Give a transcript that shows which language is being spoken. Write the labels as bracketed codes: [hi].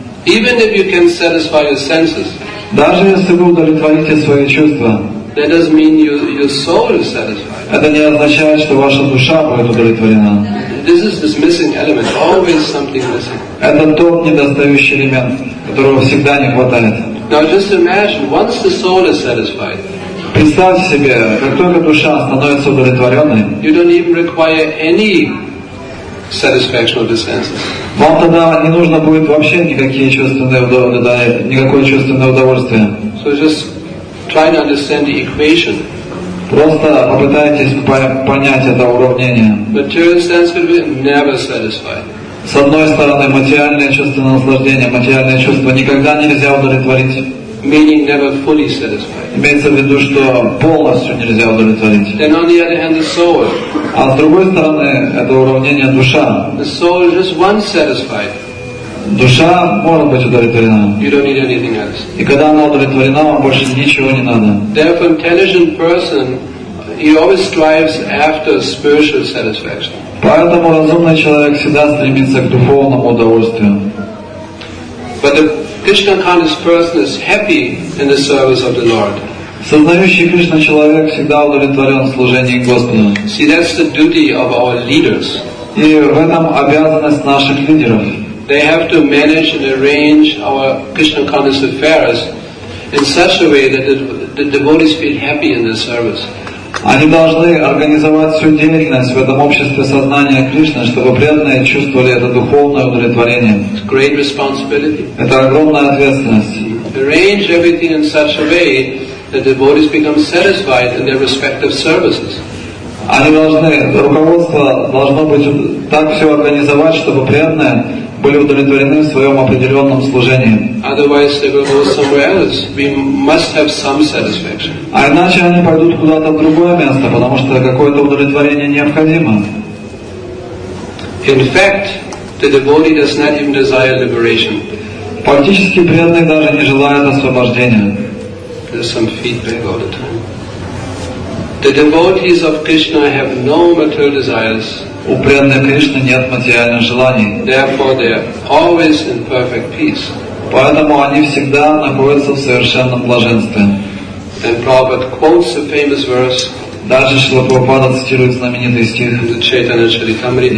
[en] Even if you can satisfy your senses. [ru] Даже если вы удовлетворите свои чувства. [en] That doesn't mean your soul is satisfied. [ru] Это не означает, что ваша душа будет удовлетворена. [en] this is this missing element. Always something missing. [ru] Это тот недостающий элемент, которого всегда не хватает. [en] Now just imagine, once the soul is satisfied. [ru] Представьте себе, как только душа становится удовлетворенной. [en] You don't even require any satisfaction of the senses. [ru] Вам тогда не нужно будет вообще никакие чувственные удовольствия, никакое чувственное удовольствие. [en] So just try to understand the equation. [ru] Просто попытайтесь понять это уравнение. [en] Material sense will be never satisfied. [ru] С одной стороны, материальное чувственное наслаждение, материальное чувство никогда нельзя удовлетворить. [en] Meaning never fully satisfied. [ru] Имеется в виду, что полностью нельзя удовлетворить. [en] Then on the other hand, the soul. [ru] А с другой стороны, это уравнение душа. [en] The soul is just once satisfied. [ru] Душа может быть удовлетворена. [en] You don't need anything else. [ru] И когда она удовлетворена, вам больше ничего не надо. [en] Therefore, intelligent person, he always strives after spiritual satisfaction. [ru] Поэтому разумный человек всегда стремится к духовному удовольствию. [en] But the Krishna conscious person is happy in the service of the Lord. [ru] Сознающий Кришна человек всегда удовлетворен в служении Господу. [en] See, that's the duty of our leaders. [ru] И в этом обязанность наших лидеров. [en] They have to manage and arrange our Krishna conscious affairs in such a way that the devotees feel happy in their service. [ru] Они должны организовать всю деятельность в этом обществе сознания Кришны, чтобы преданные чувствовали это духовное удовлетворение. [en] It's great responsibility. [ru] Это огромная ответственность. [en] Arrange everything in such a way that the devotees become satisfied in their respective services. [ru] Они должны, руководство должно быть так все организовать, чтобы преданные были удовлетворены в своем определенном служении. [en] Otherwise they will go somewhere else. We must have some satisfaction. [ru] А иначе они пойдут куда-то в другое место, потому что какое-то удовлетворение необходимо. [en] In fact, the devotee does not even desire liberation. [ru] Фактически преданный даже не желает освобождения. [en] There's some feedback all the time. The devotees of Krishna have no material desires. [ru] У преданной Кришны нет материальных желаний. [en] Therefore, they are always in perfect peace. [ru] Поэтому они всегда находятся в совершенном блаженстве. [en] And Prabhupada quotes a famous verse. [ru] Даже Шрила Прабхупада цитирует знаменитый стих из Чайтанья Чаритамриты.